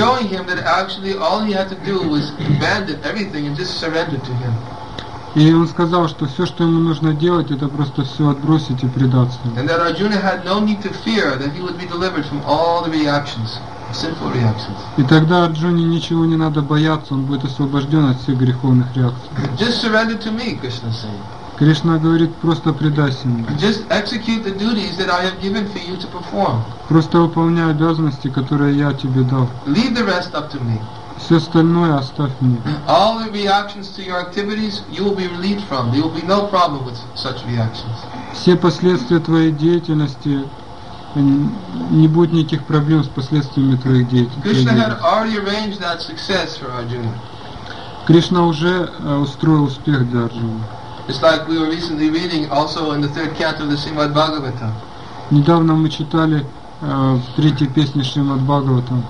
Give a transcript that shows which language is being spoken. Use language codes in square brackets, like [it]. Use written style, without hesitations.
[en] Showing him that actually all he had to do was abandon everything and just surrender to him. [ru] И он сказал, что все, что ему нужно делать, это просто все отбросить и предаться. [en] And that Arjuna had no need to fear that he would be delivered from all the reactions, sinful reactions. [ru] И тогда Арджуне ничего не надо бояться, он будет освобожден от всех греховных реакций. [en] Just surrender to me, Krishna said. [ru] Кришна говорит, просто предайся мне. [en] Just execute the duties that I have given for you to perform. [ru] Просто выполняй обязанности, которые я тебе дал. [en] Leave the rest up to me. [ru] Все остальное оставь мне. [en] All the reactions to your activities you will be relieved from. There will be no problem with such reactions. [ru] Все последствия твоей деятельности не будет никаких проблем с последствиями твоих деятельности. [en] Krishna had already arranged that success for Arjuna. [ru] Кришна уже устроил успех для Арджуны. [en] It's like we were recently reading also in the third canto of the Srimad Bhagavatam. [ru] Недавно мы читали в третьей песне Шримад Бхагаватам.